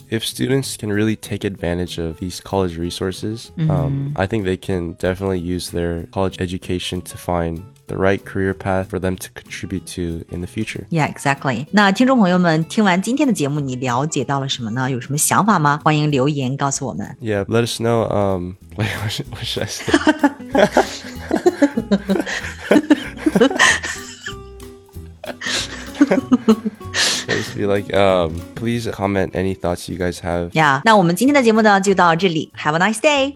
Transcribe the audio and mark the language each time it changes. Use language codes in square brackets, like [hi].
[en] If students can really take advantage of these college resources,、mm-hmm. I think they can definitely use their college education to find the right career path for them to contribute to in the future. Yeah, exactly. [zh] 那听众朋友们，听完今天的节目，你了解到了什么呢？有什么想法吗？欢迎留言告诉我们。 [en] Yeah, let us know. What should I say? Be like, please comment any thoughts you guys have. [zh] Yeah, 那我们今天的节目呢就到这里。 [en] Have a nice day.